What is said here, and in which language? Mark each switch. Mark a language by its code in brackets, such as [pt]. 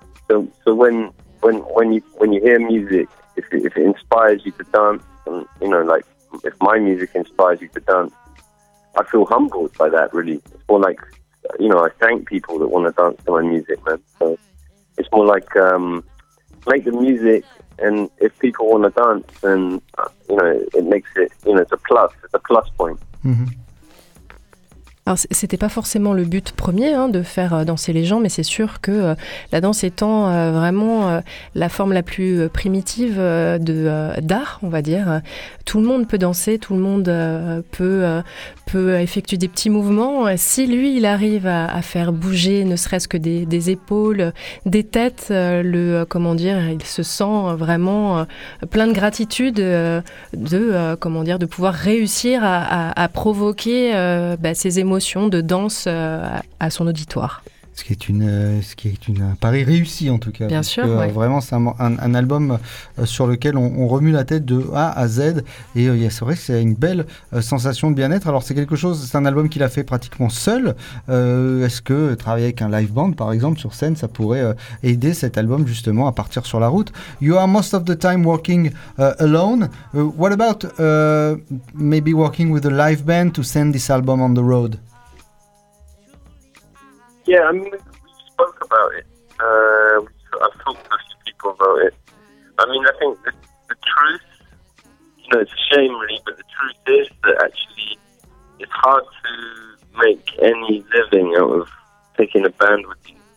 [en] So when you hear music, if it inspires you to dance, and, you know, like, if my music inspires you to dance, I feel humbled by that, really. It's more like, you know, I thank people that want to dance to my music, man. So it's more like, make the music. And if people want to dance, then, you know, it makes it, you know, it's a plus point. Mm-hmm. [fr] Alors, c'était pas forcément le but premier, hein, de faire danser les gens, mais c'est sûr que la danse étant vraiment la forme la plus primitive d'art, on va dire, tout le monde peut danser, tout le monde peut effectuer des petits mouvements. Si lui, il arrive à faire bouger ne serait-ce que des épaules, des têtes, il se sent vraiment plein de gratitude de pouvoir réussir à provoquer ses émotions d'émotion, de danse à son auditoire. Ce qui est un pari réussi en tout cas. Bien sûr, ouais. Vraiment, c'est un album sur lequel on remue la tête de A à Z. Et c'est vrai que c'est une belle sensation de bien-être. Alors c'est quelque chose, c'est un album qu'il a fait pratiquement seul. Est-ce que travailler avec un live band, par exemple, sur scène, ça pourrait aider cet album justement à partir sur la route? [en] You are most of the time working alone. What about maybe working with a live band to send this album on the road? Yeah, I mean, we spoke about it. I've talked to a few people about it. I mean, I think the truth, you know, it's a shame really, but the truth is that actually it's hard to make any living out of taking a band with you.